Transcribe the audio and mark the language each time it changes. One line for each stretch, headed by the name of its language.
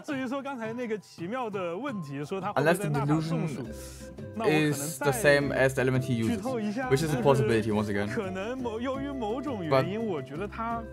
Chinese: 至于说刚才那个奇妙的问题，说他
English: unless the delusion is the same as the element he uses, which is a possibility once again.
Chinese: 可能由于某种原因，我觉得他